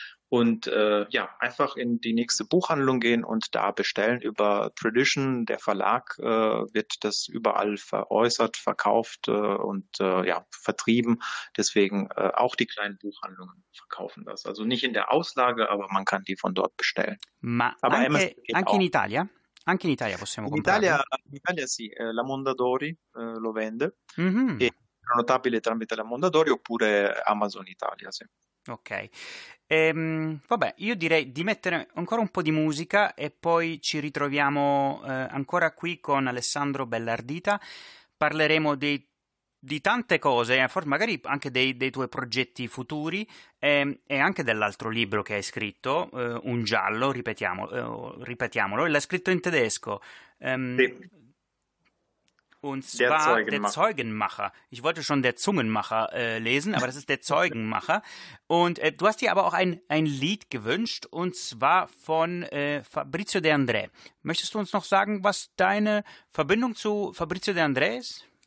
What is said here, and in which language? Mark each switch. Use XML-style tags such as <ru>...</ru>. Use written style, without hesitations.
<de>Und einfach in die nächste Buchhandlung gehen und da bestellen über Tradition. Der Verlag wird das überall veräußert, verkauft und vertrieben. Deswegen auch die kleinen Buchhandlungen verkaufen das. Also nicht in der Auslage, aber man kann die von dort bestellen.</de> <it>Anche in Italia? Anche in Italia possiamo comprare. In Italia sì, la Mondadori lo vende. Mm-hmm. È notabile tramite la Mondadori oppure Amazon Italia, sì. Ok, io direi di mettere ancora un po' di musica e poi ci ritroviamo ancora qui con Alessandro Bellardita. Parleremo di tante cose, magari anche dei tuoi progetti futuri e anche dell'altro libro che hai scritto, Un giallo, ripetiamolo, l'hai scritto in tedesco.</it> <de>Und zwar der Zeugenmacher. Ich wollte schon der Zungenmacher lesen, aber das ist der Zeugenmacher. Und du hast dir aber auch ein Lied gewünscht, und zwar von Fabrizio De André. Möchtest du uns noch sagen, was deine Verbindung zu Fabrizio De André ist?</de>